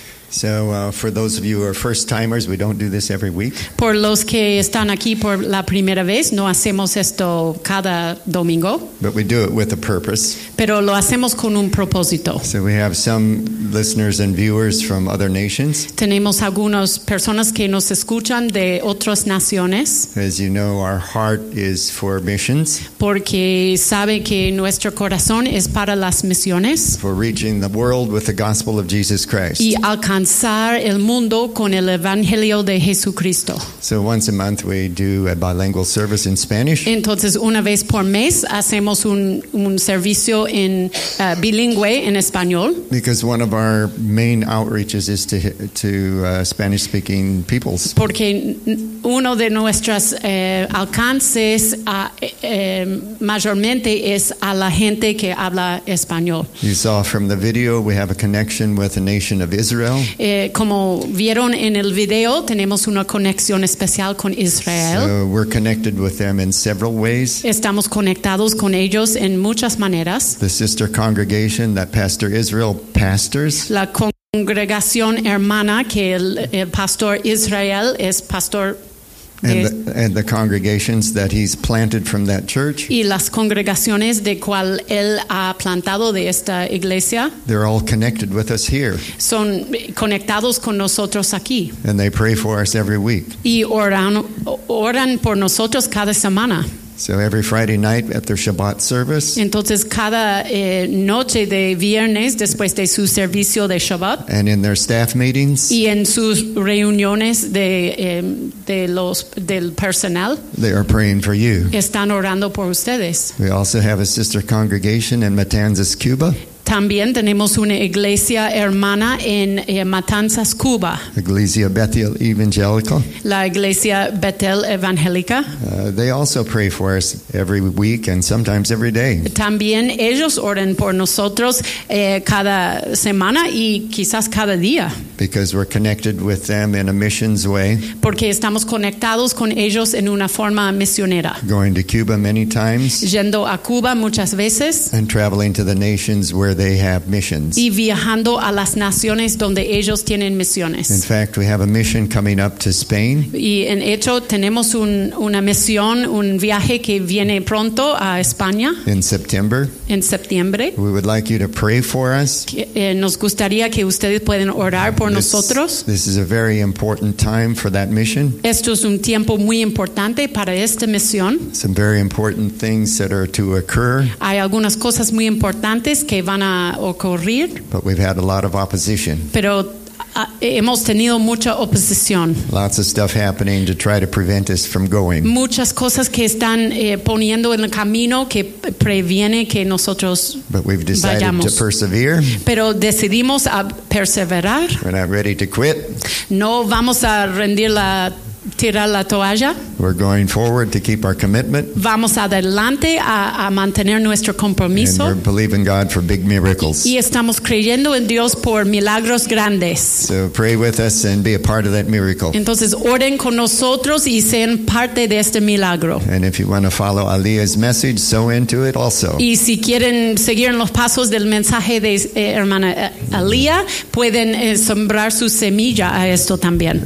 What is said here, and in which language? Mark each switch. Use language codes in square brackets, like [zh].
[en] So for those of you who are first timers, we don't do this every week. [es] Por los que están aquí por la primera vez, no hacemos esto cada domingo. [en] But we do it with a purpose. [es] Pero lo hacemos con un propósito. [en] So we have some listeners and viewers from other nations. [es] Tenemos algunas personas que nos escuchan de otras naciones. [en] As you know, our heart is for missions. [es] Porque sabe que nuestro corazón es para las misiones. [en] For reaching the world with the gospel of Jesus Christ. [es] Alcanzar el mundo con el Evangelio de Jesucristo. [en] So once a month we do a bilingual service in Spanish. [es] Entonces una vez por mes hacemos un servicio en bilingüe en español. [en] Because one of our main outreaches is to Spanish speaking peoples. [es] Porque uno de nuestros alcances mayormente es a la gente que habla español. [en] You saw from the video we have a connection with the nation of Israel. [es] Como vieron en el video, tenemos una conexión especial con Israel. [en] So we're connected with them in several ways. [es] Estamos conectados con ellos en muchas maneras. [en] The sister congregation that Pastor Israel pastors. [es] La congregación hermana que el Pastor Israel es pastor. [en] And the congregations that he's planted from that church. [es] Y las congregaciones de cual él ha plantado de esta iglesia. [en] They're all connected with us here. [es] Son conectados con nosotros aquí. [en] And they pray for us every week. [es] Y oran por nosotros cada semana. [en] So every Friday night at their Shabbat service. [es] Entonces cada noche de viernes después de su servicio de Shabbat. [en] And in their staff meetings. [es] Y en sus reuniones del personal. [en] They are praying for you. [es] Están orando por ustedes. [en] We also have a sister congregation in Matanzas, Cuba. [es] También tenemos una iglesia hermana en Matanzas, Cuba. Iglesia Bethel Evangelica. La iglesia Bethel Evangelica. [en] They also pray for us every week and sometimes every day. [es] También ellos oran por nosotros cada semana y quizás cada día. [en] Because we're connected with them in a missions way. [es] Porque estamos conectados con ellos en una forma misionera. [en] Going to Cuba many times. [es] Yendo a Cuba muchas veces. [en] And traveling to the nations where they have missions. [es] Y viajando a las naciones donde ellos tienen misiones. [en] In fact, we have a mission coming up to Spain. [es] Y en hecho tenemos una misión, un viaje que viene pronto a España. [en] In September. [es] En septiembre. [en] We would like you to pray for us. [es] Nos gustaría que ustedes puedan orar por nosotros. [en] This is a very important time for that mission. [es] Esto es un tiempo muy importante para esta misión. [en] Some very important things that are to occur. [es] Hay algunas cosas muy importantes que van a ocurrir. [en] But we've had a lot of opposition. [es] Pero hemos tenido mucha oposición. [en] Lots of stuff happening to try to prevent us from going. [es] Muchas cosas que están poniendo en el camino que previene que nosotros vayamos. [en] But we've decided to persevere. [es] Pero decidimos a perseverar. [en] We're not ready to quit. [es] No vamos a rendir la tirar la toalla. [en] We're going forward to keep our commitment. [es] Vamos adelante a mantener nuestro compromiso. [en] And we're believing God for big miracles. [es] Y estamos creyendo en Dios por milagros grandes. [en] So pray with us and be a part of that miracle. [es] Entonces oren con nosotros y sean parte de este milagro. [en] And if you want to follow Aliyah's message, sow into it also. [es] Y si quieren seguir en los pasos del mensaje de hermana Aliyah, pueden sembrar su semilla a esto también.